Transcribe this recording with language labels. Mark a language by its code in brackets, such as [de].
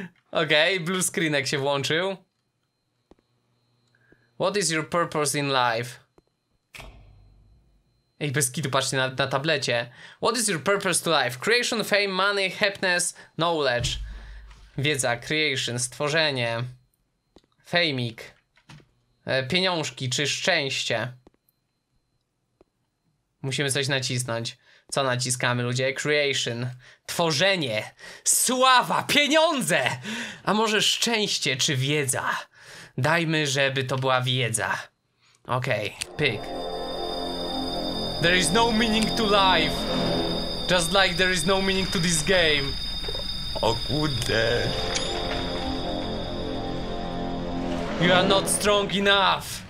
[pl] Okej, blue screen jak się włączył. [en] What is your purpose in life? [pl] Ej, bez kitu, patrzcie na tablecie. [en] What is your purpose to life? Creation, fame, money, happiness, knowledge. [pl] Wiedza, creation, stworzenie. Fejmik. Pieniążki, czy szczęście. Musimy coś nacisnąć. Co naciskamy, ludzie? Creation. Tworzenie. Sława, pieniądze. A może szczęście, czy wiedza? Dajmy, żeby to była wiedza. Okej, pyk. [en] There is no meaning to life. Just like there is no meaning to this game. [pl] O kurde. [en] You are not strong enough.